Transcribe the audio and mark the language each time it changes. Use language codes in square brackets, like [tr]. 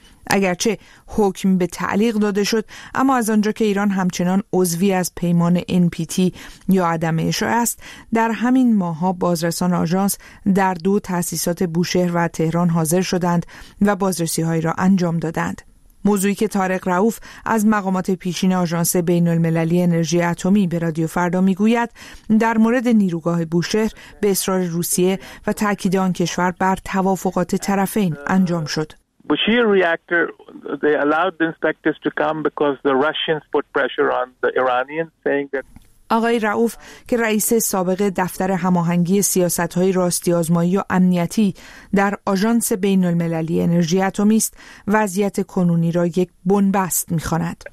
[fa] اگرچه حکم به تعلیق داده شد، اما از آنجا که ایران همچنان عضوی از پیمان NPT یا عدم اشاعه است، در همین ماه‌ها بازرسان آژانس در 2 تأسیسات بوشهر و تهران حاضر شدند و بازرسی‌های را انجام دادند. موضوعی که طارق رؤوف از مقامات پیشین آژانس بین‌المللی انرژی اتمی به رادیو فردا می‌گوید، در مورد نیروگاه بوشهر به اصرار روسیه و تأکید آن کشور بر توافقات طرفین انجام شد. [en] Bushehr reactor, they allowed the inspectors to come because the Russians put pressure on the Iranians saying that [fa] آقای رؤوف که رئیس سابق دفتر هماهنگی سیاست‌های راستی آزمایی و امنیتی در آژانس بین‌المللی انرژی اتمی است، وضعیت کنونی را یک بنبست می‌خواند.